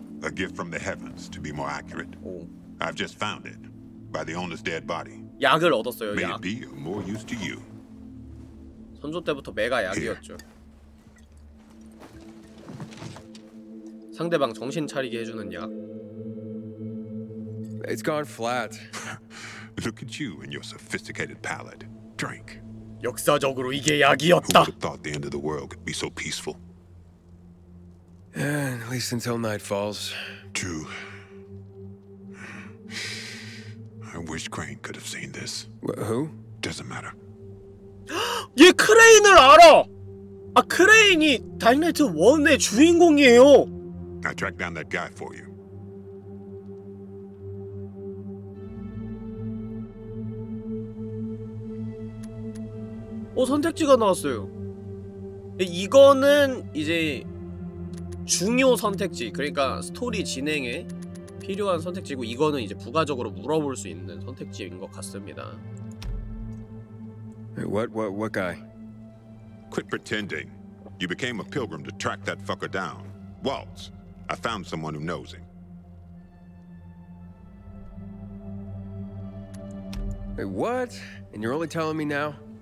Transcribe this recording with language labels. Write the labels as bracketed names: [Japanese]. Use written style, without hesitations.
[English] A gift from the heavens, to be more accurate. Oh. I've just found it by the owner's dead body. [Korean] 약을 얻었어요, 약. [English] May it be more use to you. [Korean] 선조 때부터 매가 약이었죠. [English] Here. [Korean] 상대방 정신 차리게 해주는 약. [English] It's gone flat. Look at you and your sophisticated palate. Drink. [Korean] 역사적으로 이게 약이었다. [English] Who would have thought the end of the world could be so peaceful? At least until night falls. True. I wish Crane could have seen this. Who? Doesn't matter. [Korean] 얘 크레인을 알아! 아, 크레인이 다이너마이트 1의 주인공이에요! [English] I tracked down that guy for you. [Korean] 어, 선택지가 나왔어요. 이거는 이제 중요 선택지, 그러니까 스토리 진행에 필요한 선택지고, 이거는 이제 부가적으로 물어볼 수 있는 선택지인 것 같습니다. [English] Hey, what guy? Quit pretending. You became a pilgrim to track that fucker down. Waltz. I found someone who knows him. Hey, what? And you're only telling me now?